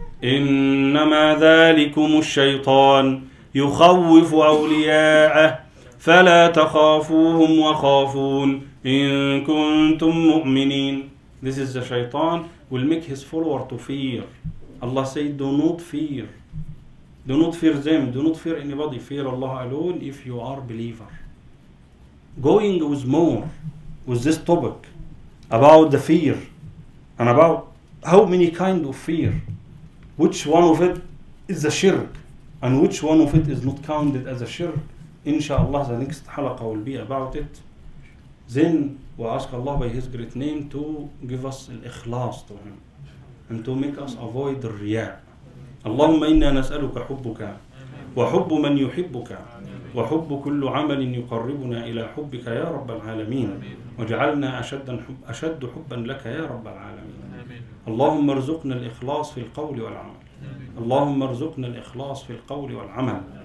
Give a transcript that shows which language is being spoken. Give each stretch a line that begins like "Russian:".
Arabic: إنما ذلكم الشيطان يخوف أولياءه فلا تخافوهم وخافون إن كنتم مؤمنين.
English: This is the shaitan will make his follower to fear. Allah say, do not fear. Do not fear them, do not fear anybody. Fear Allah alone if you are a believer. Going with more with this topic about the fear and about how many kind of fear, which one of it is a shirk and which one of it is not counted as a shirk, inshallah the next halaqa will be about it. Then we ask Allah by His great name to give us al-ikhlas to Him and to make us avoid the riya'.
Arabic: اللهم إنا نسألك حبك وحب من يحبك وحب كل عمل يقربنا إلى حبك يا رب العالمين وجعلنا أشد حبا لك يا رب العالمين. اللهم ارزقنا الإخلاص في القول والعمل. اللهم ارزقنا الإخلاص في القول والعمل.